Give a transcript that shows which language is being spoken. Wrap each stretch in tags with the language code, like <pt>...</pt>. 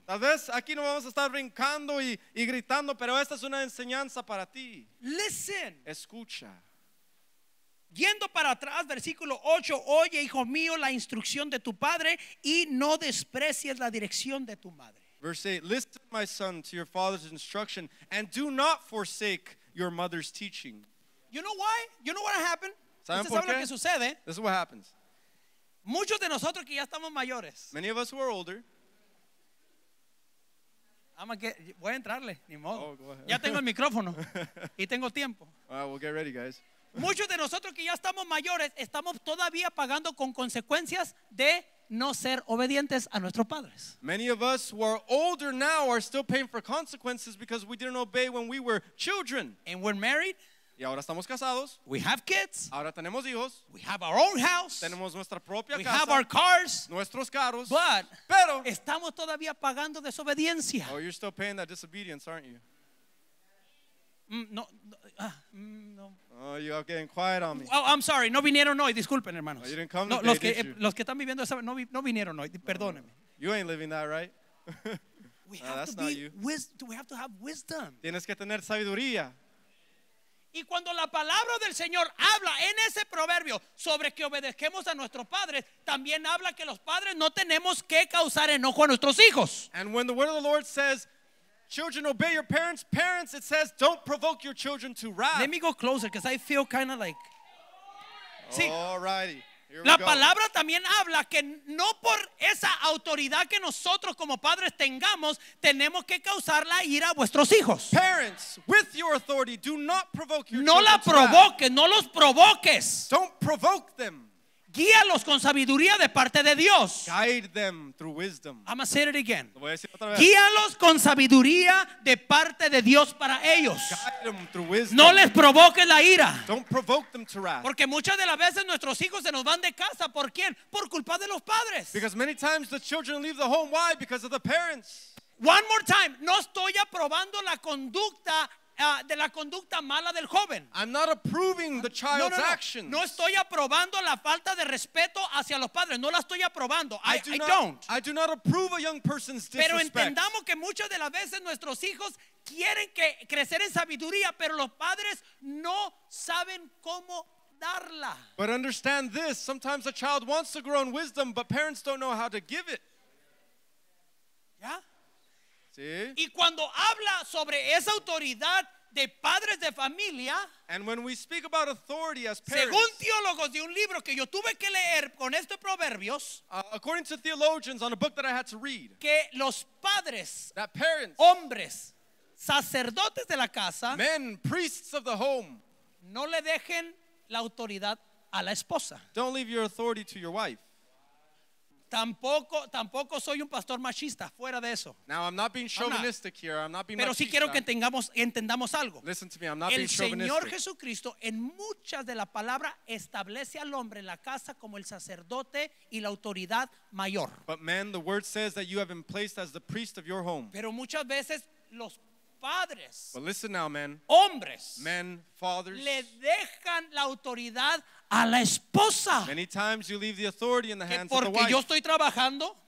<es>Tal vez aquí no vamos a estar brincando y gritando, pero esta es una enseñanza para ti.</es> <en>Listen.</en> <es>Escucha. Yendo para atrás, versículo 8, oye, hijo mío, la instrucción de tu padre y no desprecies la dirección de tu madre.</es> <en>Verse 8, listen, my son, to your father's instruction and do not forsake your mother's teaching. You know why? You know what happened?</en> <es>¿Saben por qué? Lo que sucede.</es> <en>This is what happens.</en> <es>Muchos de nosotros que ya estamos mayores.</es> <en>Many of us who are older.</en> <es>Voy a entrarle, ni modo.</es> <en>Oh, go ahead.</en> <es>Ya tengo el micrófono y tengo tiempo.</es> <en>All right, we'll get ready, guys.</en> <es>Muchos de nosotros que ya estamos mayores estamos todavía pagando con consecuencias de no ser obedientes a nuestros padres.</es> <en>Many of us who are older now are still paying for consequences because we didn't obey when we were children. And we're married.</en> <es>Y ahora estamos casados.</es> <en>We have kids.</en> <es>Ahora tenemos hijos.</es> <en>We have our own house.</en> <es>Tenemos nuestra propia</es> <en>we</en> <es>casa.</es> <en>We have our cars.</en> <es>Nuestros carros.</es> <en>But</en> <es>pero estamos todavía pagando desobediencia.</es> <en>Oh, you're still paying that disobedience, aren't you? No. Oh, you are getting quiet on me. Oh, I'm sorry.</en> <es>No vinieron hoy. Disculpen, hermanos.</es> <en>Oh, you didn't come</en> <es>no,</es> <en>today,</en> <es>los que,</es> <en>did you?</en> <es>Los que están viviendo esa, no vinieron hoy. Perdónenme.</es> <en>Oh, you ain't living that, right? We have that's to be not you. We have to have wisdom.</en> <es>Tienes que tener sabiduría. Y cuando la palabra del Señor habla en ese proverbio sobre que obedezquemos a nuestros padres, también habla que los padres no tenemos que causar enojo a nuestros hijos.</es> <en>And when the word of the Lord says, children, obey your parents. Parents, it says, don't provoke your children to wrath. Let me go closer because I feel kind of like. All righty.</en> <es>La palabra también habla que no por esa autoridad que nosotros como padres tengamos tenemos que causar la ira a vuestros hijos.</es> <en>Parents, with your authority, do not provoke your children.</en> <es>No la provoques, no los provoques.</es> <en>Don't provoke them.</en> <es>Guíalos con sabiduría de parte de Dios.</es> <en>Guide them through wisdom. I'm gonna say it again.</en> <es>Guíalos con sabiduría de parte de Dios para ellos.</es> <en>Guide them through wisdom.</en> <es>No les provoques la ira.</es> <en>Don't provoke them to wrath.</en> <es>Porque muchas de las veces nuestros hijos se nos van de casa. ¿Por quién? Por culpa de los padres.</es> <en>Because many times the children leave the home. Why? Because of the parents. One more time.</en> <es>No estoy aprobando la conducta. De la conducta mala del joven.</es> <en>I'm not approving the child's actions.</en> <es>No estoy aprobando la falta de respeto hacia los padres. No la estoy aprobando.</es> <en>I do not approve a young person's disrespect.</en> <es>Pero entendamos que muchas de las veces nuestros hijos quieren que crecer en sabiduría, pero los padres no saben cómo darla.</es> <en>But understand this: sometimes a child wants to grow in wisdom, but parents don't know how to give it.</en> <es>¿Ya?</es> <en>Yeah? See?</en> <es>Y cuando habla sobre esa autoridad de padres de familia,</es> <en>and when we speak about authority as parents,</en> <es>según teólogos de un libro que yo tuve que leer con estos proverbios,</es> <en>according to theologians on a book that I had to read,</en> <es>que los padres,</es> <en>that parents,</en> <es>hombres, sacerdotes de la casa,</es> <en>men, priests of the home,</en> <es>no le dejen la autoridad a la esposa.</es> <en>Don't leave your authority to your wife.</en> <es>Tampoco soy un pastor machista, fuera de eso.</es> <en>Now I'm not being chauvinistic here. I'm not being.</en> <es>Pero sí quiero que entendamos algo.</es> <en>Listen to me. I'm not</en> <es>el Señor Jesucristo en muchas de la palabra establece al hombre en la casa como el sacerdote y la autoridad mayor.</es> <en>But man, the word says that you have been placed as the priest of your home.</en> <es>Pero muchas veces los padres,</es> <en>but listen now, men,</en> <es>hombres,</es> <en>men, fathers,</en> <es>le dejan la autoridad a la esposa.</es> <en>Many times you leave the authority in the hands of the</en> <es>wife. Porque yo estoy trabajando.</es>